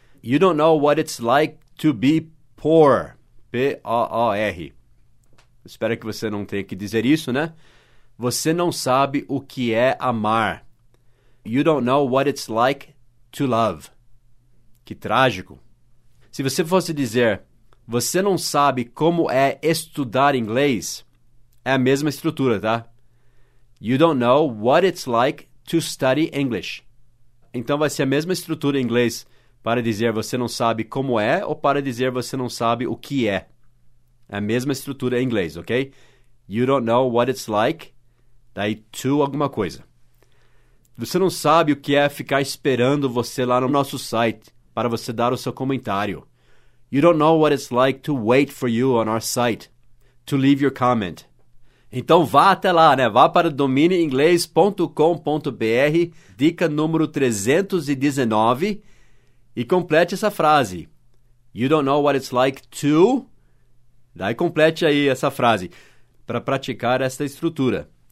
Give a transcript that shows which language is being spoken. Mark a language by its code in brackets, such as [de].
[en] You don't know what it's like to be poor. P-O-O-R. [pt] Espero que você não tenha que dizer isso, né? Você não sabe o que é amar. [en] You don't know what it's like to love. [pt] Que trágico. Se você fosse dizer, você não sabe como é estudar inglês, é a mesma estrutura, tá? [en] You don't know what it's like to study English. [pt] Então vai ser a mesma estrutura em inglês para dizer você não sabe como é ou para dizer você não sabe o que é. É a mesma estrutura em inglês, ok? [en] You don't know what it's like, daí to [pt] alguma coisa. Você não sabe o que é ficar esperando você lá no nosso site para você dar o seu comentário. [en] You don't know what it's like to wait for you on our site, to leave your comment. [pt] Então vá até lá, né? Vá para dominioinglês.com.br, dica número 319, e complete essa frase. [en] You don't know what it's like to... [pt] Daí complete aí essa frase para praticar essa estrutura.